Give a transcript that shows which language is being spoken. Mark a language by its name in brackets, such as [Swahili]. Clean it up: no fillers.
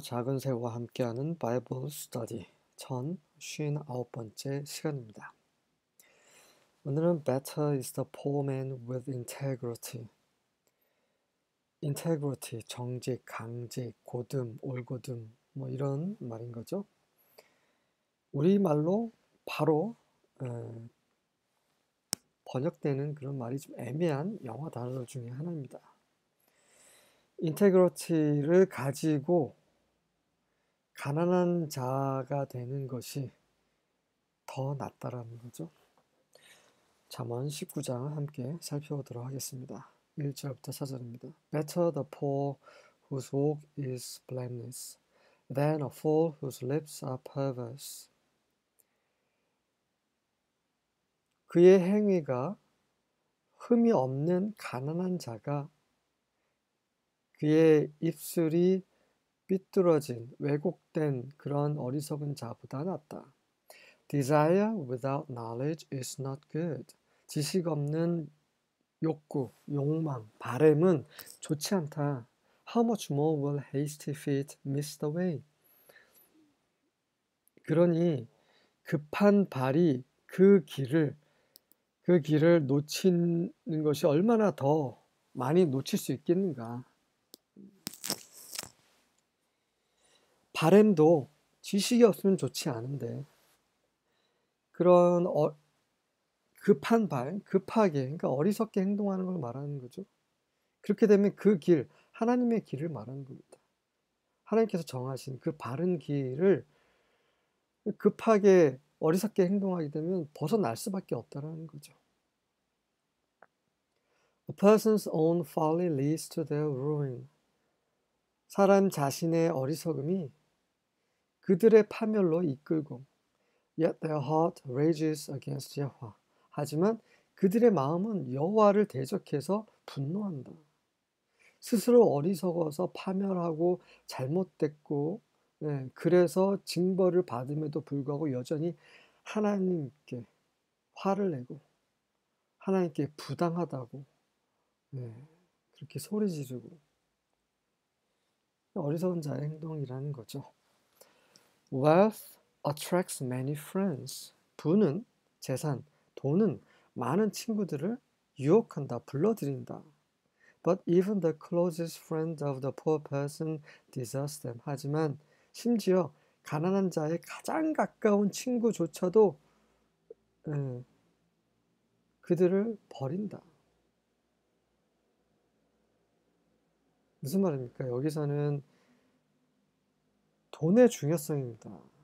[Korean] 작은 새와 함께하는 바이블 스터디 1059번째 시간입니다. 오늘은 [English] Better is the poor man with integrity. [Korean] Integrity, 정직, 강직, 고듬, 올곧음 뭐 이런 말인 거죠. 우리말로 바로 번역되는 그런 말이 좀 애매한 영어 단어 중에 하나입니다. Integrity를 가지고 가난한 자가 되는 것이 더 낫다라는 거죠. 잠언 19장 함께 살펴보도록 하겠습니다. 1절부터 4절입니다. [English] Better the poor whose walk is blameless than a fool whose lips are perverse. [Korean] 그의 행위가 흠이 없는 가난한 자가 그의 입술이 삐뚤어진 왜곡된 그런 어리석은 자보다 낫다. [English] Desire without knowledge is not good. [Korean] 지식 없는 욕구, 욕망, 바램은 좋지 않다. [English] How much more will hasty feet miss the way? [Korean] 그러니 급한 발이 그 길을 놓치는 것이 얼마나 더 많이 놓칠 수 있겠는가? 바램도 지식이 없으면 좋지 않은데, 그런 급한 발, 급하게, 그러니까 어리석게 행동하는 걸 말하는 거죠. 그렇게 되면 그 길, 하나님의 길을 말하는 겁니다. 하나님께서 정하신 그 바른 길을 급하게, 어리석게 행동하게 되면 벗어날 수밖에 없다라는 거죠. [English] A person's own folly leads to their ruin. [Korean] 사람 자신의 어리석음이 그들의 파멸로 이끌고, [English] Yet their heart rages against Yahweh. [Korean] 하지만 그들의 마음은 여호와를 대적해서 분노한다. 스스로 어리석어서 파멸하고 잘못됐고, 네, 그래서 징벌을 받음에도 불구하고 여전히 하나님께 화를 내고, 하나님께 부당하다고, 네, 그렇게 소리 지르고, 어리석은 자의 행동이라는 거죠. [English] Wealth attracts many friends. [Korean] 부는, 재산, 돈은 많은 친구들을 유혹한다, 불러들인다. [English] But even the closest friend of the poor person deserts them. [Korean] 하지만 심지어 가난한 자의 가장 가까운 친구조차도 그들을 버린다. 무슨 말입니까? 여기서는 돈의 중요성입니다.